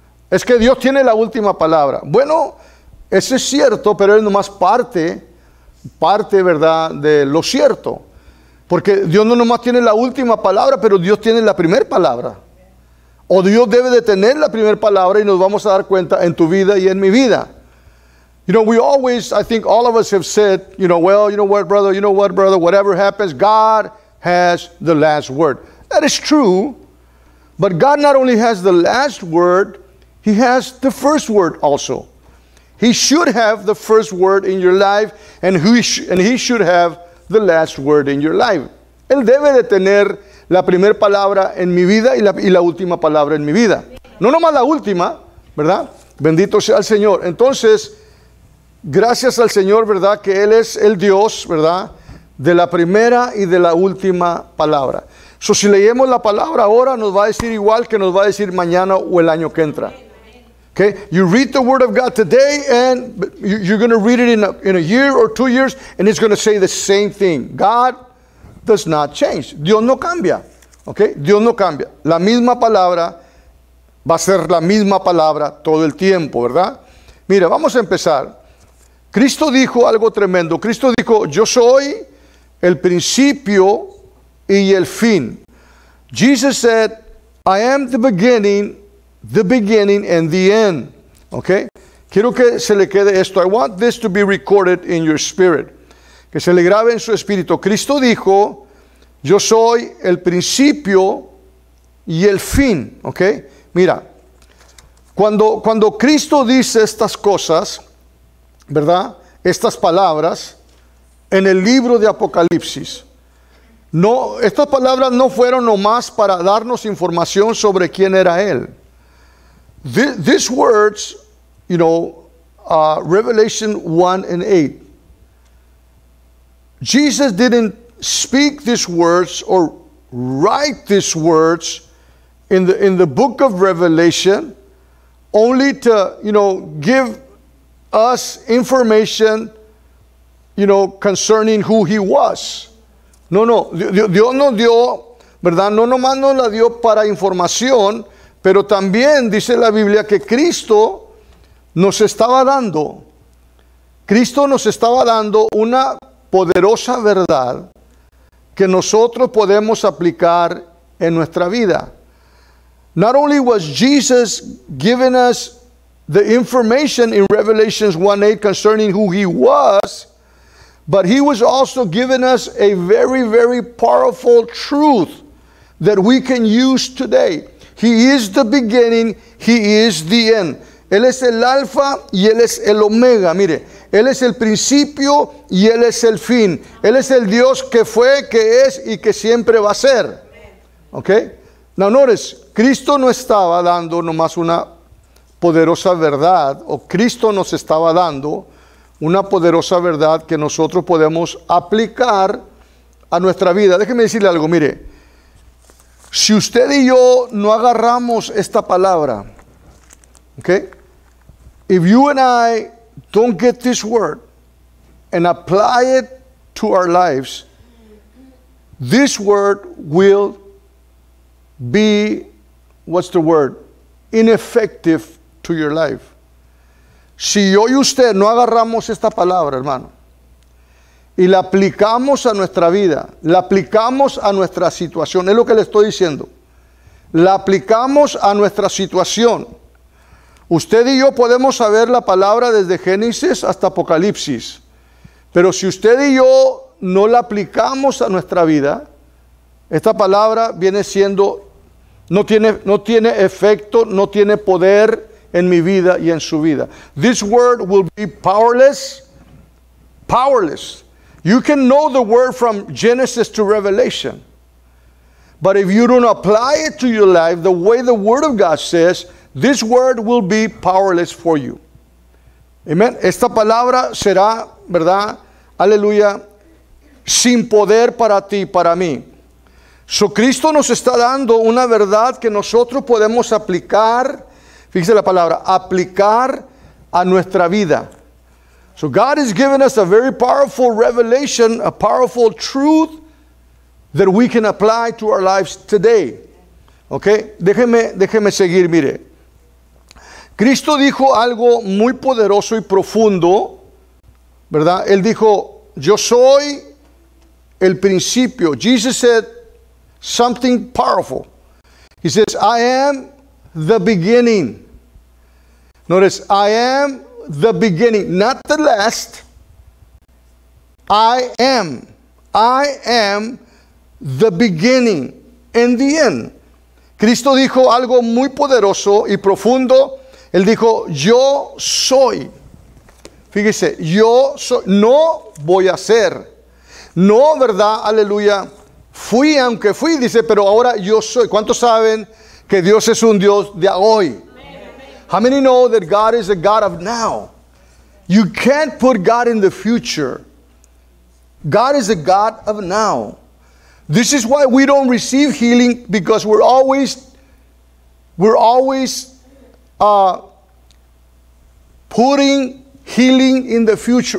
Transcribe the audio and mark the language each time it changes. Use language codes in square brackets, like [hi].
[es] Es que Dios tiene la última palabra. Bueno, eso es cierto, pero es nomás parte, ¿verdad?, de lo cierto. Porque Dios no nomás tiene la última palabra, pero Dios tiene la primera palabra. O Dios debe de tener la primera palabra y nos vamos a dar cuenta en tu vida y en mi vida. [en] You know, we always, I think all of us have said, you know, well, you know what, brother, whatever happens, God has the last word. That is true, but God not only has the last word, He has the first word also. He should have the first word in your life, and he should have the last word in your life. [es] Él debe de tener la primera palabra en mi vida y la última palabra en mi vida. No nomás la última, ¿verdad? Bendito sea el Señor. Entonces, gracias al Señor, ¿verdad? Que Él es el Dios, ¿verdad? De la primera y de la última palabra. So, si leemos la palabra ahora, nos va a decir igual que nos va a decir mañana o el año que entra. [en] Okay? You read the Word of God today and you're going to read it in a year or 2 years and it's going to say the same thing. God does not change. [es] Dios no cambia. Okay? Dios no cambia. La misma palabra va a ser la misma palabra todo el tiempo, ¿verdad? Mira, vamos a empezar. Cristo dijo algo tremendo. Cristo dijo, yo soy el principio y el fin. [en] Jesus said, I am the beginning and the end. Okay? [es] Quiero que se le quede esto. [en] I want this to be recorded in your spirit. [es] Que se le grabe en su espíritu. Cristo dijo, yo soy el principio y el fin. Okay? Mira, cuando Cristo dice estas cosas, ¿verdad? Estas palabras, en el libro de Apocalipsis. No, estas palabras no fueron nomás para darnos información sobre quién era Él. [en] These words, you know, Revelation 1 and 8. Jesus didn't speak these words or write these words in the book of Revelation only to, you know, give us information, you know, concerning who He was. [es] No, Dios nos dio, ¿verdad? No nomás nos la dio para información, pero también dice la Biblia que Cristo nos estaba dando. Cristo nos estaba dando una poderosa verdad que nosotros podemos aplicar en nuestra vida. [en] Not only was Jesus giving us the information in Revelation 1:8 concerning who He was, but He was also giving us a very, very powerful truth that we can use today. He is the beginning, He is the end. [es] Él es el Alfa y Él es el Omega. Mire, Él es el principio y Él es el fin. Él es el Dios que fue, que es y que siempre va a ser. ¿Ok? No, no es. Cristo no estaba dando nomás una poderosa verdad, o Cristo nos estaba dando una poderosa verdad que nosotros podemos aplicar a nuestra vida. Déjeme decirle algo, mire. Si usted y yo no agarramos esta palabra, ¿ok? [en] If you and I don't get this word and apply it to our lives, this word will be, what's the word? Ineffective to your life. [es] Si yo y usted no agarramos esta palabra, hermano, y la aplicamos a nuestra vida, la aplicamos a nuestra situación, es lo que le estoy diciendo, la aplicamos a nuestra situación. Usted y yo podemos saber la palabra desde Génesis hasta Apocalipsis, pero si usted y yo no la aplicamos a nuestra vida, esta palabra viene siendo, no tiene efecto, no tiene poder en mi vida y en su vida. [en] This word will be powerless, powerless. You can know the word from Genesis to Revelation, but if you don't apply it to your life the way the word of God says, this word will be powerless for you. [es] Amen. Esta palabra será, ¿verdad? Aleluya. Sin poder para ti, para mí. So Cristo nos está dando una verdad que nosotros podemos aplicar. Fíjese la palabra, aplicar a nuestra vida. [en] So God has given us a very powerful revelation, a powerful truth that we can apply to our lives today. [es] Okay? Déjeme seguir, mire. Cristo dijo algo muy poderoso y profundo, ¿verdad? Él dijo, yo soy el principio. [en] Jesus said something powerful. He says, I am the beginning. Notice, I am the beginning, not the last. I am the beginning and the end. [es] Cristo dijo algo muy poderoso y profundo. Él dijo, yo soy. Fíjese, yo soy. No voy a ser. No, ¿verdad? Aleluya. Fui, aunque fui, dice, pero ahora yo soy. ¿Cuántos saben que Dios es un Dios de hoy? [en] How many know that God is a God of now? You can't put God in the future. God is a God of now. This is why we don't receive healing, because we're always putting healing in the future.